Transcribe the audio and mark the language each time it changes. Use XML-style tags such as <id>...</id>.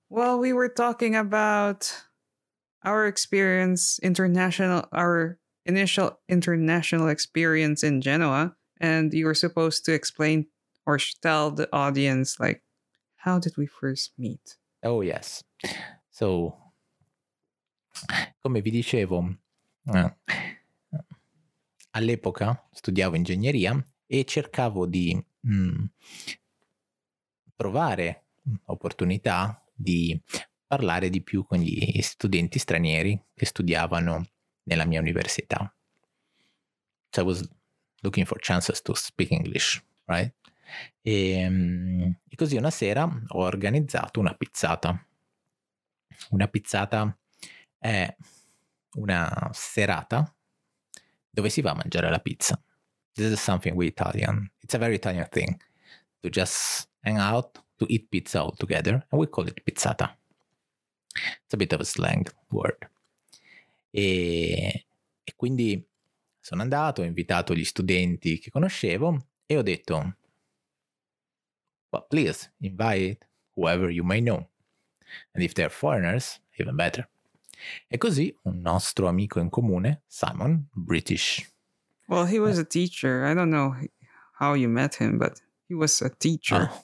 <en>Well, we were talking about our experience our initial international experience in Genoa, and you were supposed to explain or tell the audience, like, how did we first meet? Oh, yes.</en> <it>So, come vi dicevo, all'epoca studiavo ingegneria e cercavo di provare opportunità di parlare di più con gli studenti stranieri che studiavano nella mia università.</it> <en>So I was looking for chances to speak English, right?</en> <it>E così una sera ho organizzato una pizzata. Una pizzata è una serata dove si va a mangiare la pizza.</it> <en>This is something we Italian. It's a very Italian thing to just hang out, to eat pizza all together, and we call it pizzata. It's a bit of a slang word.</en> <it>E quindi sono andato, ho invitato gli studenti che conoscevo e ho detto,</it> <en>well, please invite whoever you may know. And if they're foreigners, even better.</en> <it>E così un nostro amico in comune, Simon, British.</it> <en>Well, he was a teacher. I don't know how you met him, but he was a teacher.</en>